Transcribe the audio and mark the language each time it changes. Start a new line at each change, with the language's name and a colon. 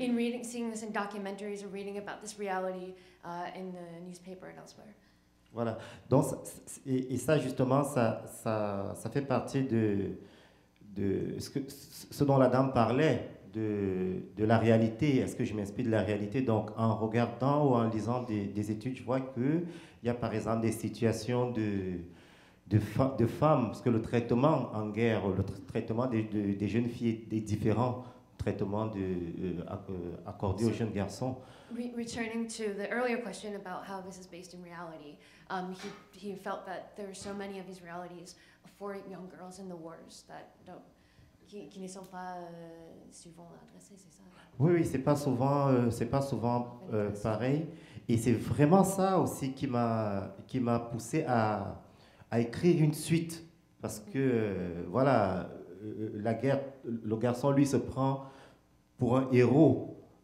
English: In reading, seeing this in documentaries or reading about this reality in the newspaper and elsewhere.
French: Voilà. Donc, et ça justement, ça fait partie de ce dont la dame parlait, de la réalité. Est-ce que je m'inspire de la réalité? Donc, en regardant ou en lisant des études, je vois qu'il y a par exemple des situations de femmes, parce que le traitement en guerre, le traitement des jeunes filles est différent. Traitement accordé aux jeunes garçons.
English: Returning to the earlier question about how this is based in reality, he felt that there are so many of these realities for young girls in the wars that don't
French: qui ne sont pas souvent adressées, c'est ça? Oui, c'est pas souvent pareil, et c'est vraiment ça aussi qui m'a poussé à écrire une suite, parce que voilà, la guerre, le garçon lui se prend pour un héros,